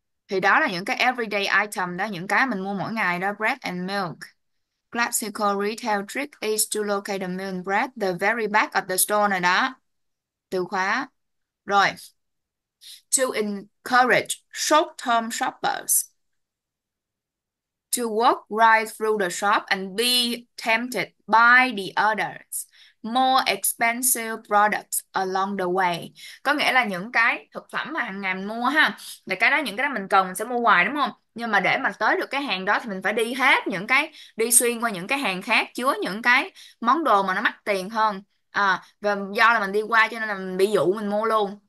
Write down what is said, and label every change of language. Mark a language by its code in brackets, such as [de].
[vi] Thì đó là những cái [en] everyday item [vi] đó, những cái mình mua mỗi ngày đó, [en] bread and milk. Classical retail trick is to locate the milk bread the very back of the store [vi] này đó. Từ khóa. Rồi. [en] To encourage short-term shoppers to walk right through the shop and be tempted by the others. More expensive products along the way. [vi] Có nghĩa là những cái thực phẩm mà hàng ngày mình mua ha, là cái đó, những cái đó mình cần mình sẽ mua hoài đúng không? Nhưng mà để mà tới được cái hàng đó thì mình phải đi hết những cái, đi xuyên qua những cái hàng khác chứa những cái món đồ mà nó mắc tiền hơn. À, và do là mình đi qua cho nên là mình bị dụ mình mua luôn.